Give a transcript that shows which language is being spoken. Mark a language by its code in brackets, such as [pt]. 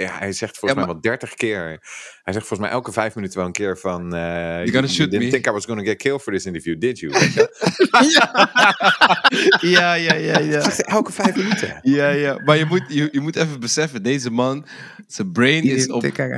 [nl] Ja, hij zegt volgens mij wel 30 keer. Hij zegt volgens mij elke 5 minuten wel een keer van... [en] You're gonna shoot me. You didn't think I was gonna get killed for this interview, did you? [nl] Ja. Elke 5 minuten. Ja. Maar je moet even beseffen, deze man... Zijn brain is op 200%.